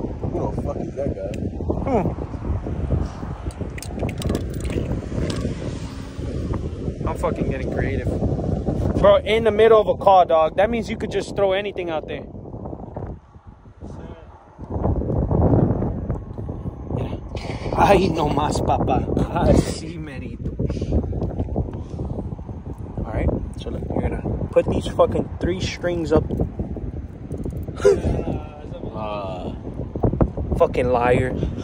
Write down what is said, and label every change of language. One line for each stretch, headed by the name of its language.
English: Who the fuck is that guy? I'm fucking getting creative. Bro, in the middle of a call, dog. That means you could just throw anything out there.
Spanish: Ay, no más, papa. Así, merito.
English: All right, chill. You're gonna put these fucking three strings up. Fucking liar.